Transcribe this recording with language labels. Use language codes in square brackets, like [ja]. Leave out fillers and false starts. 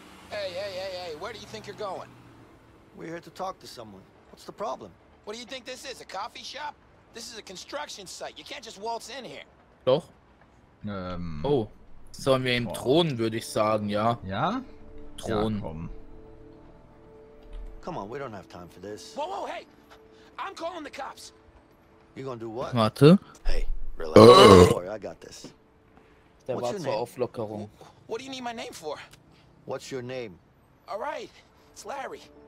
[en] Hey, hey, hey, hey, where do you think you're going? We're here to talk to someone. What's the problem? What do you think this is? A coffee shop? This is a construction site. You can't just waltz in here. [de] Doch. Oh. Sollen wir ihm drohen, würde ich sagen, ja. Ja? Drohen. [en] Ja, come on, we don't have time for this. Whoa, whoa, hey! I'm calling the cops! You gonna do what? [de] Warte. [en] Hey, relax. Don't worry, I got this. What's your name? What do you need my name for? What's your name? Alright, it's Larry.